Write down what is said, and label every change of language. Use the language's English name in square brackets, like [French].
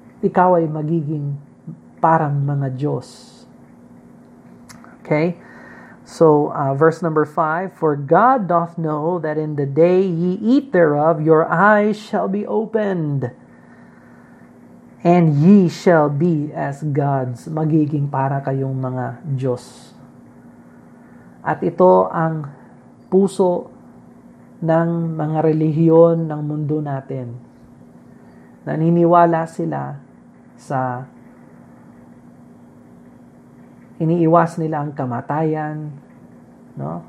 [Filipino] Ikaw ay magiging parang mga Diyos. [English] Okay? So, verse number 5, "For God doth know that in the day ye eat thereof, your eyes shall be opened, and ye shall be as gods." [Filipino] Magiging para kayong mga Diyos. At ito ang puso ng mga relihiyon ng mundo natin. Naniniwala sila sa iniiwas nila ang kamatayan, no?